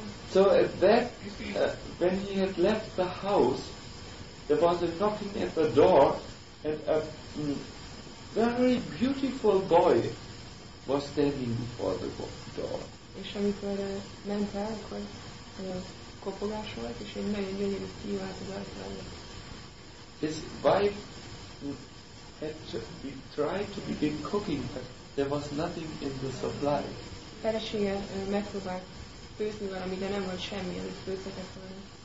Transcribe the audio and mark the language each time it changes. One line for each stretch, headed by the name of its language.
English: So at that, when he had left the house, there was a knocking at the door, and a very beautiful boy was standing before the door.
Hungarian: És amikor ment el, akkor kopogás volt, és egy nagyon gyönyörű fiú állt az ajtóban.
English: His wife had to be tried to begin cooking, but there was nothing in the supply.
Hungarian: Felesége megpróbált főzni valami, de nem volt semmi, ami főzhetett volna.